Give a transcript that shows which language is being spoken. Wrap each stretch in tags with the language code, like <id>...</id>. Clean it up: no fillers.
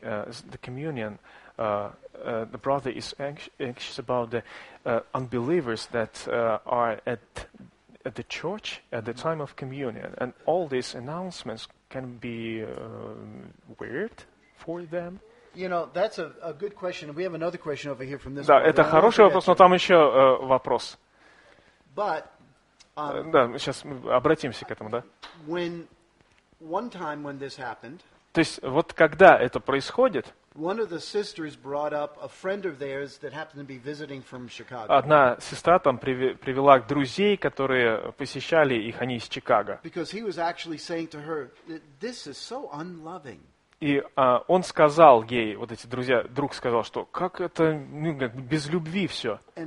<en>The communion, the brother is anxious about the unbelievers that are at the church at the time of communion. And all these announcements can be weird for them. You know, that's a good question. We have another question over here from this.</en> <ru>Да, это хороший вопрос, но там еще вопрос.</ru> <en>But,</en> <ru>да, сейчас мы обратимся к этому, да?</ru> <en>When one time when this happened,</en> <ru>то есть, вот когда это происходит,</ru> <en>one of the sisters brought up a friend of theirs that happened to be visiting from Chicago.</en> <ru>Одна сестра там привела друзей, которые посещали их, они из Чикаго.</ru> <en>Because he was actually saying to her, this is so unloving.</en> <ru>И он сказал ей, вот эти друзья, друг сказал, что как это, ну, как без любви все.</ru>